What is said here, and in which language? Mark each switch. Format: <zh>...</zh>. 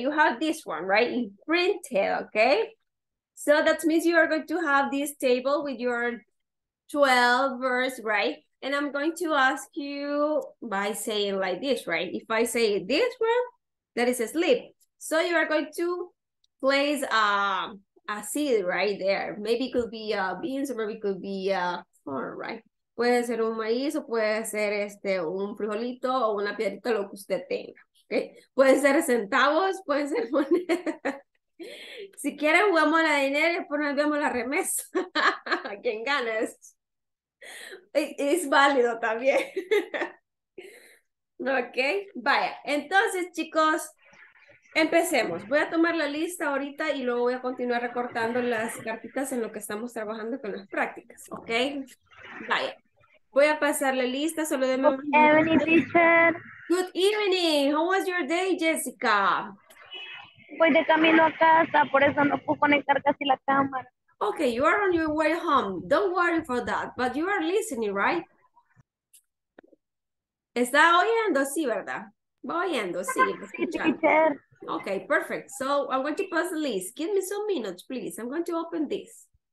<en>You have this one, right? In printed, okay? So that means you are going to have this table with your 12 verse, right? And I'm going to ask you by saying like this, right? If I say this one, that is asleep. So you are going to place a seed right there. Maybe it could be beans, or maybe it could be corn, right?</en> <es>Puede ser un maíz o puede ser un frijolito o una piedrita, lo que usted tenga, ¿okay? Puede ser centavos, puede ser moneda. Si quieren jugamos a la dinero y después nos vemos la remesa. ¿Quién gana? Es válido también. Ok, vaya. Entonces, chicos, empecemos. Voy a tomar la lista ahorita y luego voy a continuar recortando las cartitas en lo que estamos trabajando con las prácticas, ¿ok? Vaya. Voy a pasar la lista, solo de</es> <en>momento. Good evening, teacher. Good evening. How was your day, Jessica?</en> <es>Voy de camino a casa, por eso no puedo conectar casi la cámara.</es> <en>Okay, you are on your way home. Don't worry for that, but you are listening, right?</en> <es>Está oyendo, sí, ¿verdad? Va oyendo, sí.</es> <en>Teacher. Okay, perfect. So, I'm going to pass the list. Give me some minutes, please. I'm going to open this.</en>